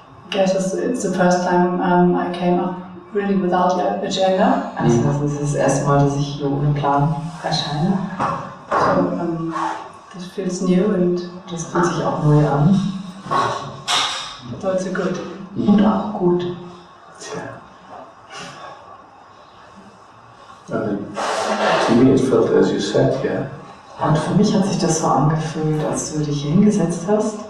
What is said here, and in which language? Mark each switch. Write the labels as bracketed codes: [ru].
[en] Guess it's the first time I came up really without the agenda. [de] Also das ist das erste Mal, dass ich hier ohne Plan erscheine. [en] So, this feels new and [de] das fühlt sich auch neu an. Also gut. Und auch gut. [en] To me it felt as you sat here. [de] Und für mich hat sich das so angefühlt, als du dich hier hingesetzt hast.